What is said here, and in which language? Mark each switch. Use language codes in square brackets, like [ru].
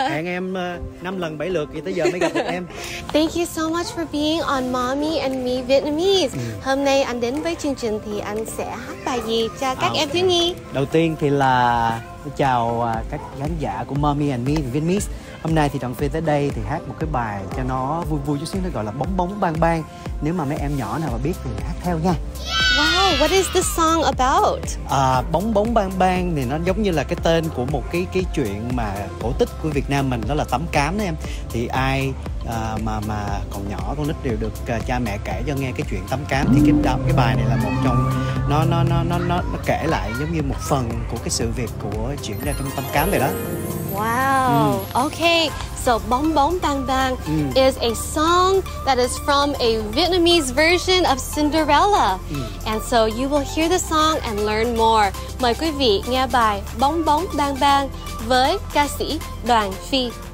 [vi] Hẹn em 5 lần 7 lượt thì tới giờ mới gặp được em. [en] Thank you so much for being on Mommy and Me Vietnamese. [vi] Hôm nay anh đến với chương trình thì anh sẽ hát bài gì cho các em thiếu nhi? Đầu tiên thì là chào các khán giả của Mommy and Me Vietnamese. Hôm nay thì Đoàn Phi tới đây thì hát một cái bài cho nó vui vui chút xíu, nó gọi là Bóng Bóng Bang Bang. Nếu mà mấy em nhỏ nào mà biết thì hát theo nha. [en] Wow, what is the song about? [vi] Bóng Bóng Bang Bang thì nó giống như là cái tên của một cái chuyện mà cổ tích của Việt Nam mình, đó là Tấm Cám đó em. Thì ai mà còn nhỏ con nít đều được cha mẹ kể cho nghe cái chuyện Tấm Cám. Thì cái bài này là một trong nó kể lại giống như một phần của cái sự việc của chuyện ra trong Tấm Cám vậy đó. [en] Wow. Okay, so Bóng Bóng Bang Bang is a song that is from a Vietnamese version of Cinderella. And so you will hear the song and learn more. [vi] Mời quý vị nghe bài Bóng Bóng Bang Bang với ca sĩ Đoàn Phi.